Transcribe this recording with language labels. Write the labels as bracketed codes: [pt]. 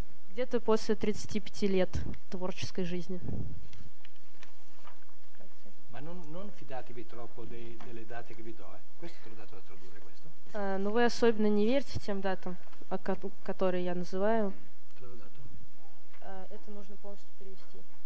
[ru] Где-то после 35 лет творческой жизни. [it] Ma non fidatevi troppo delle date che vi do. Questo te l'ho dato da tradurre, questo? [ru] Ну вы особенно не верьте тем датам, которые я называю. [it] Te l'ho dato? [ru] Это нужно полностью перевести.